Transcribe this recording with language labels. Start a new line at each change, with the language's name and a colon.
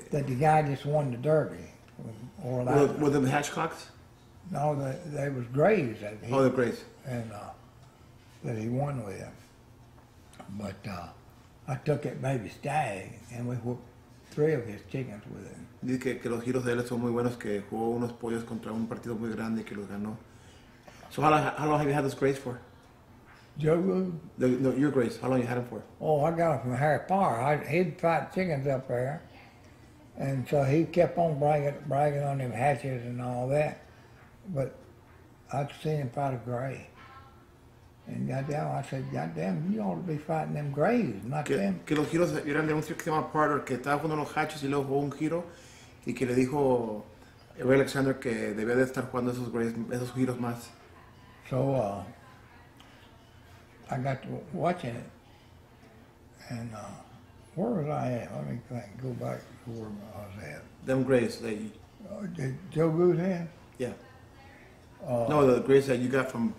English: That the guy just won the derby. Were them hatchcocks? No, they was grays. The grays. And that he won with. But I took that baby stag and we whooped three of his chickens with him.
Spanish: Dice que los giros de él son muy buenos, que jugó unos pollos contra un partido muy grande que los ganó.
English: So how long have you had this grace for? Joe Good? No, your grace. How long you had him for? Oh, I got it from Harry Parr. He'd fight chickens up there. And so he kept on bragging on them hatches and all that. But I'd seen him fight a gray. And goddamn, I said, goddamn, you ought to be fighting them grays, not que, them.
Spanish: Que los giros eran de un circo que se llama Parter, que estaba jugando los hatches y luego jugó un giro y que le dijo el rey Alexander que debía de estar jugando esos grays, esos giros más.
English: So I got to watching it, and where was I at? Let me think, go back to where I was at. Them grays that Joe Good had? Yeah. No, the grays that you got from...